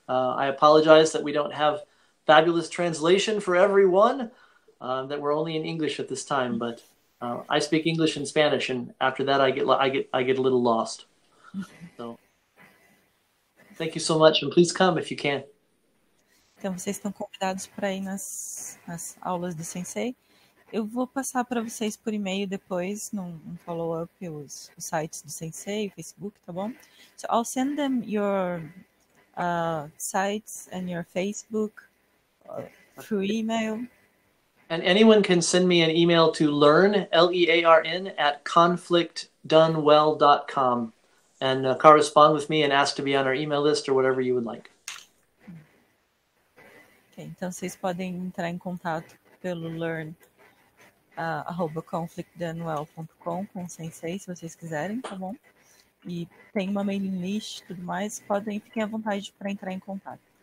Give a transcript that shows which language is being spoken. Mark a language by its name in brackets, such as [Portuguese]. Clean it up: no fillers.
[English] I apologize that we don't have fabulous translation for everyone, that we're only in English at this time, but I speak English and Spanish, and after that I get a little lost. So, thank you so much, and please come if you can. [Portuguese] Então, vocês estão convidados para ir nas aulas do Sensei. Eu vou passar para vocês por e-mail depois, num follow-up, os sites do Sensei, o Facebook, tá bom? [English] So, I'll send them your sites and your Facebook through email. And anyone can send me an email to learn, L-E-A-R-N, at conflictdonewell.com and correspond with me and ask to be on our email list or whatever you would like. [Portuguese] Então, vocês podem entrar em contato pelo learn@conflictdanuel.com com o sensei, se vocês quiserem, tá bom? E tem uma mailing list e tudo mais, podem, fiquem à vontade para entrar em contato.